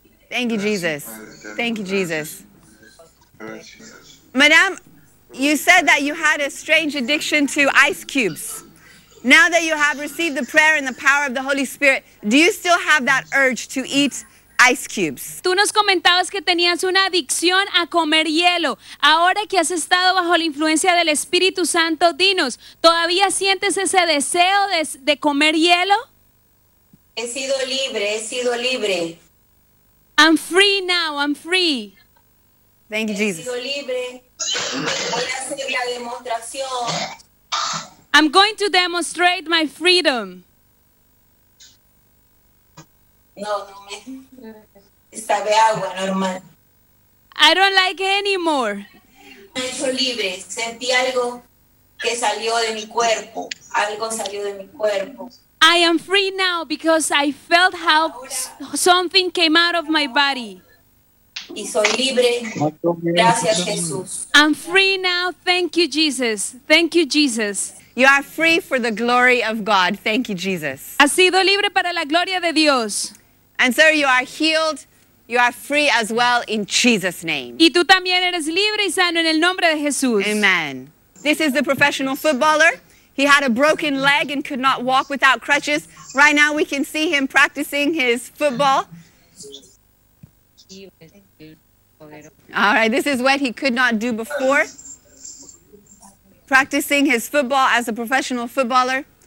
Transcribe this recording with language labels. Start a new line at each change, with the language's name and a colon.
English: Thank you, Jesus. Thank you, Jesus. Madame, you said that you had a strange addiction to ice cubes. Now that you have received the prayer and the power of the Holy Spirit, do you still have that urge to eat ice cubes?
Spanish: Tú nos comentabas que tenías una adicción a comer hielo. Ahora que has estado bajo la influencia del Espíritu Santo, dinos, ¿todavía sientes ese deseo de comer hielo? He sido libre, he sido libre.
English: I'm free now, I'm free. Thank you, Jesus.
Spanish: He sido libre. Voy a hacer la demostración.
English: I'm going to demonstrate my freedom.
Spanish: No, sabe agua normal.
English: I don't like it anymore.
Spanish: Me hizo libre. Sentí algo que salió de mi cuerpo. Algo salió de mi cuerpo.
English: I am free now because I felt how something came out of my body.
Spanish: Y soy libre. Gracias, Jesús.
English: I'm free now. Thank you, Jesus. Thank you, Jesus. You are free for the glory of God. Thank you, Jesus.
Spanish: Has sido libre para la gloria de Dios.
English: And sir, you are healed, you are free as well in Jesus' name.
Spanish: Y tú también eres libre y sano en el nombre de Jesús.
English: Amen. This is the professional footballer. He had a broken leg and could not walk without crutches. Right now we can see him practicing his football. All right, this is what he could not do before. Practicing his football as a professional footballer.